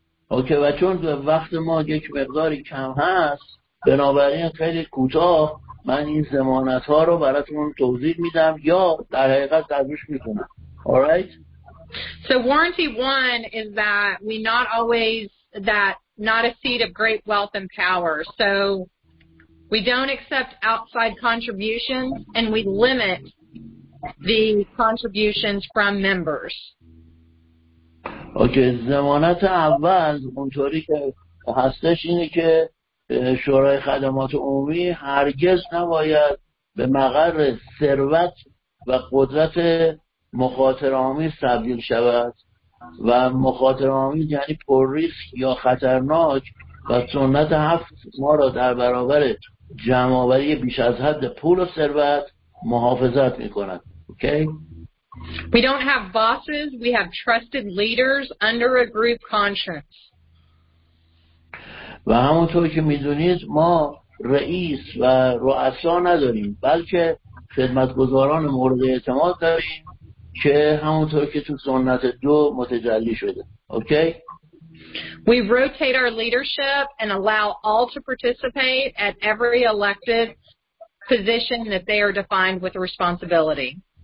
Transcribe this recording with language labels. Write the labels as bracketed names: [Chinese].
[Persian] Okay, و چون وقت ما یک مقداری کم هست، بنابراین خیلی کوتاه من این ضمانت ها رو براتون توضیح میدم یا در حقیقت تعریف میکنم. [English] All right. So warranty one is that we not always that not a seat of great wealth and power. So we don't accept outside contributions and we limit the contributions from members. [Persian] Okay, ضمانت اول اونطوری که هستش اینه که شورای خدمات عمومی هرگز نباید به مقر ثروت و قدرت مخاطره‌آمیز تبدیل شود و مخاطره‌آمیز یعنی پر ریسک یا خطرناک و سنت 7 ما را در برابر جمع‌آوری بیش از حد پول و ثروت محافظت می‌کند. اوکی؟ [English] We don't have bosses, we have trusted leaders under a group conscience. [Persian] و همونطور که میدونید ما رئیس و رؤسا نداریم بلکه خدمتگزاران مورد اعتماد داریم که همونطور که تو سنت 2 متجلی شده. اوکی؟ [English] We rotate our leadership and allow all to participate at every elected position that they are defined with responsibility.